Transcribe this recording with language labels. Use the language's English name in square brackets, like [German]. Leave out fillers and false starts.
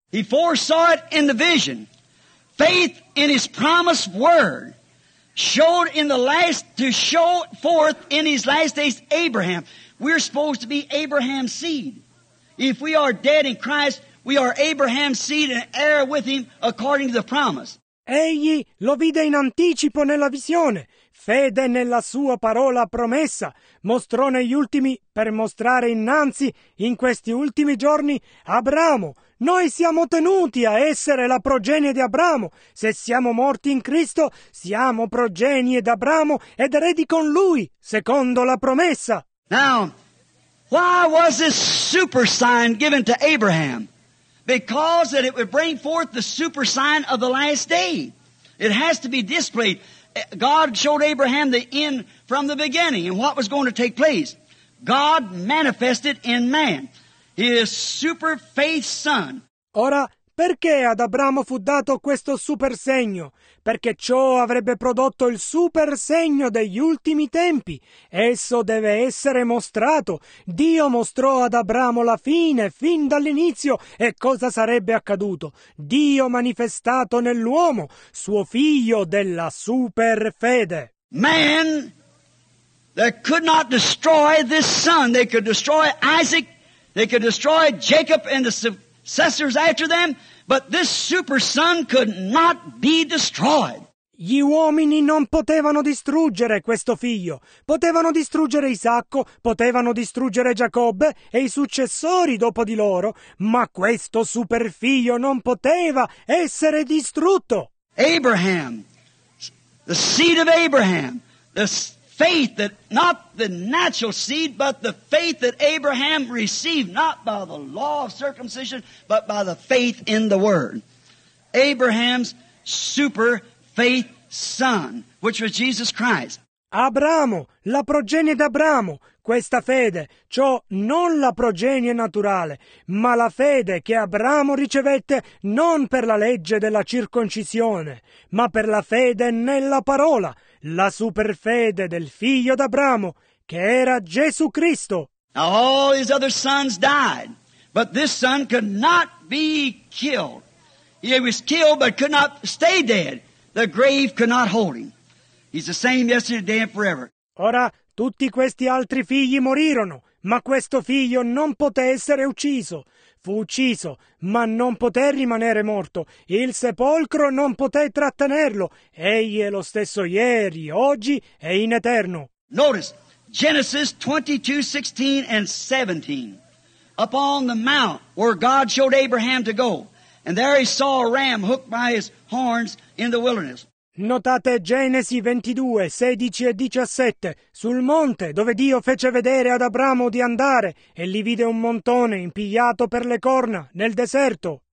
[English] He foresaw it in the vision. Faith in His promised word showed in the last, to show forth in His last days, Abraham. We're supposed to be Abraham's seed. If we are dead in Christ, we are Abraham's seed and heir with Him according to the promise. [Italian] Egli lo vide in anticipo nella visione. Fede nella sua parola promessa mostrò negli ultimi, per mostrare innanzi, in questi ultimi giorni, Abramo. Noi siamo tenuti a essere la progenie di Abramo. Se siamo morti in Cristo, siamo progenie d'Abramo ed eredi con Lui, secondo la promessa. [English] Now, why was this super sign given to Abraham? Because that it would bring forth the super sign of the last day. It has to be displayed. God showed Abraham the end from the beginning and what was going to take place. God manifested in man His super faith son. [Italian] Ora, perché ad Abramo fu dato questo super segno? Perché ciò avrebbe prodotto il super segno degli ultimi tempi. Esso deve essere mostrato. Dio mostrò ad Abramo la fine, fin dall'inizio, e cosa sarebbe accaduto? Dio manifestato nell'uomo, suo figlio della super fede. [English] Man that could not destroy this son. They could destroy Isaac, they could destroy Jacob and the successors after them, but this super son could not be destroyed. [Italian] Gli uomini non potevano distruggere questo figlio. Potevano distruggere Isacco, potevano distruggere Giacobbe e i successori dopo di loro, ma questo super figlio non poteva essere distrutto. [English] Abraham, the seed of Abraham, the faith that not the natural seed, but the faith that Abraham received, not by the law of circumcision, but by the faith in the word. Abraham's super faith son, which was Jesus Christ. [Italian] Abramo, la progenie d'Abramo, questa fede, ciò non la progenie naturale, ma la fede che Abramo ricevette non per la legge della circoncisione, ma per la fede nella parola, la superfede del figlio d'Abramo, che era Gesù Cristo. [English] Now all his other sons died, but this son could not be killed. He was killed but could not stay dead. The grave could not hold him. He's the same yesterday and forever. [Italian] Ora, tutti questi altri figli morirono, ma questo figlio non poté essere ucciso. Fu ucciso, ma non poté rimanere morto. Il sepolcro non poté trattenerlo. Egli è lo stesso ieri, oggi e in eterno. [English] Notice, Genesis 22, 16 and 17. Upon the mount where God showed Abraham to go. And there he saw a ram hooked by his horns in the wilderness. [Italian] Notate Genesi 22, 16 e 17, sul monte dove Dio fece vedere ad Abramo di andare, e lì vide un montone impigliato per le corna nel deserto.